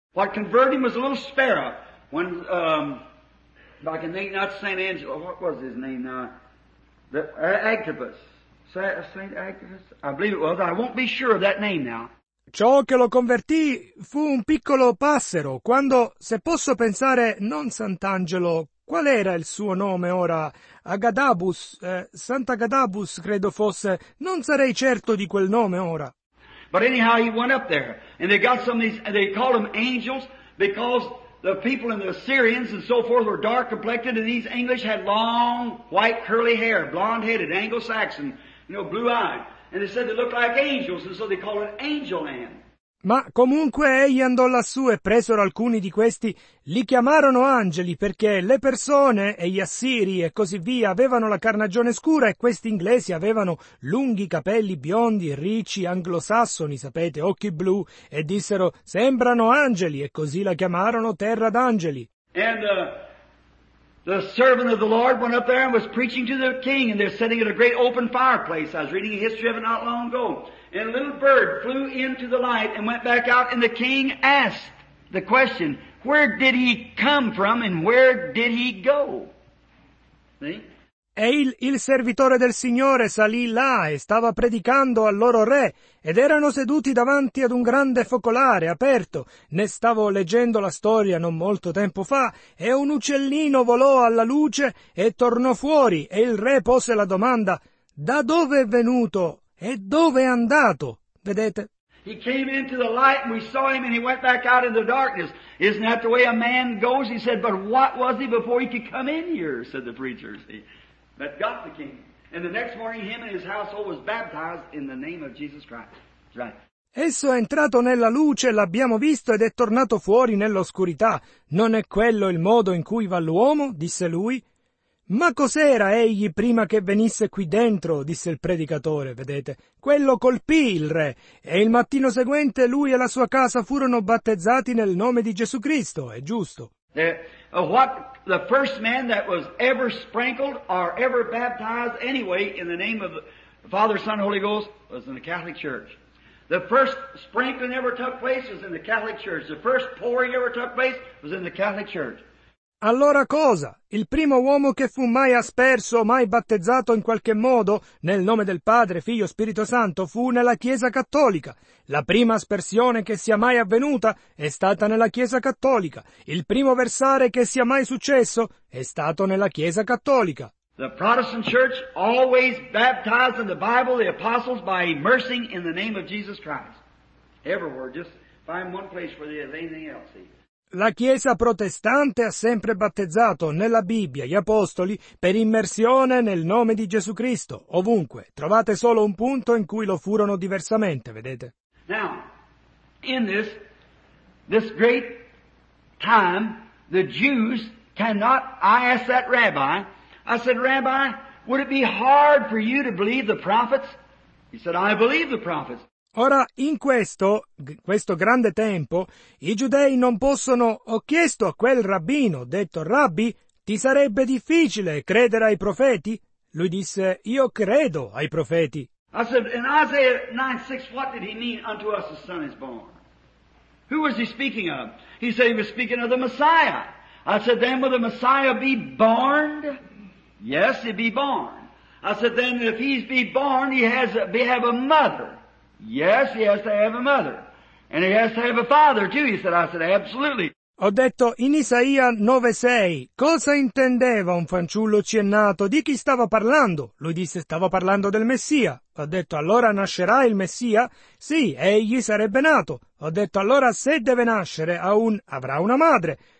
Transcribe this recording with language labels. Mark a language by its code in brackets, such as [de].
[en] What converted him was a little sparrow. When, I can think, not St. Angelo, what was his name? Agabus. St. Agabus? I believe it was. I won't be sure of that name now. [it] Ciò che lo convertì fu un piccolo passero, quando, se posso pensare, non Sant'Angelo, qual era il suo nome ora? Agadabus, Sant'Agadabus credo fosse, non sarei certo di quel nome ora. [en] But anyhow he went up there, and they got some of these, they called them angels, because the people in the Assyrians and so forth were dark complected, and these English had long, white, curly hair, blonde-headed, Anglo-Saxon, you know, blue-eyed. And they said they looked like angels, and so they call it Angel Land. [it] Ma comunque egli andò lassù e presero alcuni di questi, li chiamarono angeli perché le persone e gli assiri e così via avevano la carnagione scura e questi inglesi avevano lunghi capelli biondi, ricci, anglosassoni, sapete, occhi blu, e dissero sembrano angeli e così la chiamarono Terra d'Angeli. [en] And the servant of the Lord went up there and was preaching to the king, and they're sitting at a great open fireplace. I was reading a history of it not long ago. And a little bird flew into the light and went back out, and the king asked the question, where did he come from and where did he go? See? [it] E il servitore del Signore salì là e stava predicando al loro re, ed erano seduti davanti ad un grande focolare aperto. Ne stavo leggendo la storia non molto tempo fa, e un uccellino volò alla luce e tornò fuori, e il re pose la domanda, da dove è venuto e dove è andato? Vedete? [en] He came into the light and we saw him and he went back out in the darkness. Isn't that the way a man goes? He said, but what was he before he could come in here? Said the preacher. That got the king. And the next morning him and his household was baptized in the name of Jesus Christ. Right. [it] Esso è entrato nella luce, l'abbiamo visto, ed è tornato fuori nell'oscurità. Non è quello il modo in cui va l'uomo? Disse lui. Ma cos'era egli prima che venisse qui dentro? Disse il predicatore, vedete. Quello colpì il re, e il mattino seguente lui e la sua casa furono battezzati nel nome di Gesù Cristo, è giusto. [en] The first man that was ever sprinkled or ever baptized anyway in the name of the Father, Son, Holy Ghost was in the Catholic Church. The first sprinkling ever took place was in the Catholic Church. The first pouring ever took place was in the Catholic Church. [it] Allora cosa? Il primo uomo che fu mai asperso, mai battezzato in qualche modo, nel nome del Padre, Figlio, Spirito Santo, fu nella Chiesa Cattolica. La prima aspersione che sia mai avvenuta è stata nella Chiesa Cattolica. Il primo versare che sia mai successo è stato nella Chiesa Cattolica. [en] The Protestant Church always baptized in the Bible the apostles by immersing in the name of Jesus Christ. Everywhere, just find one place where there is anything else. See. [it] La Chiesa protestante ha sempre battezzato nella Bibbia gli apostoli per immersione nel nome di Gesù Cristo, ovunque. Trovate solo un punto in cui lo furono diversamente, vedete? [en] Now, in this great time, the Jews cannot, I asked that rabbi, I said, Rabbi, would it be hard for you to believe the prophets? He said, I believe the prophets. [it] Ora, in questo grande tempo, i giudei non possono... Ho chiesto a quel rabbino, detto Rabbi, ti sarebbe difficile credere ai profeti? Lui disse, io credo ai profeti. [en] I said, in Isaiah 9:6, what did he mean unto us the son is born? Who was he speaking of? He said he was speaking of the Messiah. I said, then will the Messiah be born? Yes, he'd be born. I said, then if he's be born, he has to have a mother. Yes, he has to have a mother. And he has to have a father too, he said. I said, absolutely. [it] Ho detto, in Isaia 9:6, cosa intendeva un fanciullo ci è nato? Di chi stava parlando? Lui disse, stavo parlando del Messia. Ho detto, allora nascerà il Messia? Sì, egli sarebbe nato. Ho detto, allora se deve nascere, avrà una madre.